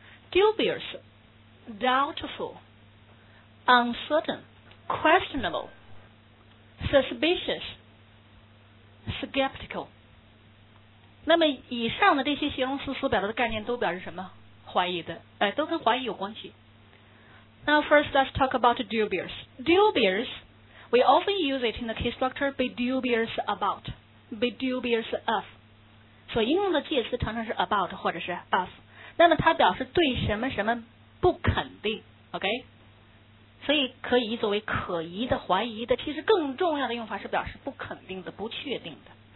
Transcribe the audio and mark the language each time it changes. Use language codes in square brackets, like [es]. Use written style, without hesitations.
[en] Dubious, doubtful, uncertain, questionable, suspicious, skeptical. [zh] 那么以上的这些形容词所表达的概念都表示什么怀疑的哎都跟怀疑有关系。 [en] Now first let's talk about dubious. Dubious, we often use it in the key structure be dubious about, be dubious of. [zh] 所以应用的介词常常是 about 或者是 of. 那么它表示对什么什么不肯定 ,OK? 所以可以作为可疑的怀疑的其实更重要的用法是表示不肯定的不确定的。